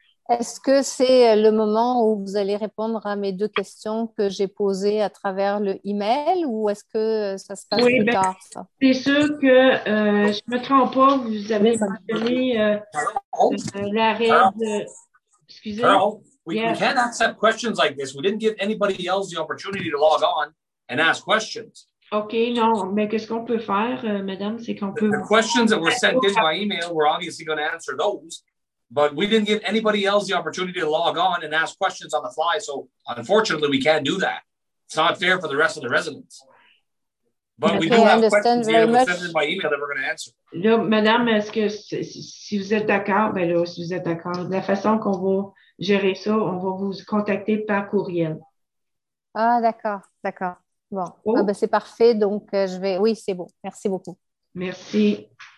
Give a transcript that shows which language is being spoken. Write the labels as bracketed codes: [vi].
[fr] Est-ce que c'est le moment où vous allez répondre à mes deux questions que j'ai posées à travers le email ou est-ce que ça se passe plus tard? Ça? C'est sûr que je ne me trompe pas, vous avez mentionné l'arrêt de. Excusez-moi. [en] Carol, we can't accept questions like this. We didn't give anybody else the opportunity to log on and ask questions. [fr] OK, non, mais qu'est-ce qu'on peut faire, madame? C'est qu'on peut. [en] The questions that were sent in by email, we're obviously going to answer those. But we didn't give anybody else the opportunity to log on and ask questions on the fly. So unfortunately, we can't do that. It's not fair for the rest of the residents. But okay, we do have questions here that were sent by email that we're going to answer. [fr] Là, madame, est-ce que si vous êtes d'accord, ben là, si vous êtes d'accord, la façon qu'on va gérer ça, on va vous contacter par courriel. Ah, d'accord, d'accord. Bon, oh. Ah, ben, c'est parfait. Donc, je vais. Oui, c'est bon. Merci beaucoup. Merci.